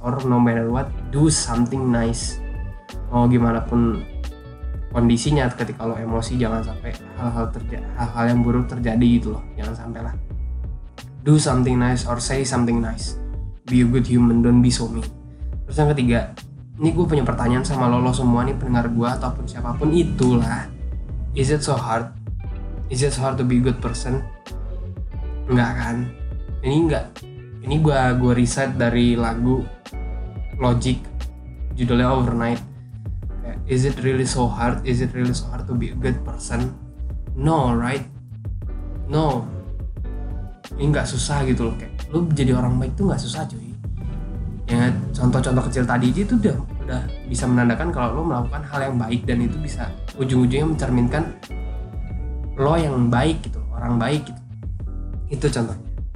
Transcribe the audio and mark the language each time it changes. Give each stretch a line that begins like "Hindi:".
English: Or no matter what, do something nice.
Indonesian: Mau gimana pun kondisinya, ketika lo emosi, jangan sampai hal-hal yang buruk terjadi gitu loh. Jangan sampai lah.
English: Do something nice or say something nice. Be a good human, don't be so mean.
Indonesian: Terus yang ketiga, ini gue punya pertanyaan sama lo semua nih, pendengar gue ataupun siapapun itulah.
English: Is it so hard? Is it so hard to be a good person?
Indonesian: Enggak kan? Ini enggak. Ini gue riset dari lagu Logic, judulnya Overnight.
English: Is it really so hard? Is it really so hard to be a good person? No, right? No.
Indonesian: Ini enggak susah gitu loh. Kayak, lo jadi orang baik tuh enggak susah cuy. Ya, contoh-contoh kecil tadi aja itu udah bisa menandakan kalau lo melakukan hal yang baik, dan itu bisa ujung-ujungnya mencerminkan lo yang baik gitu, orang baik gitu. Itu contohnya.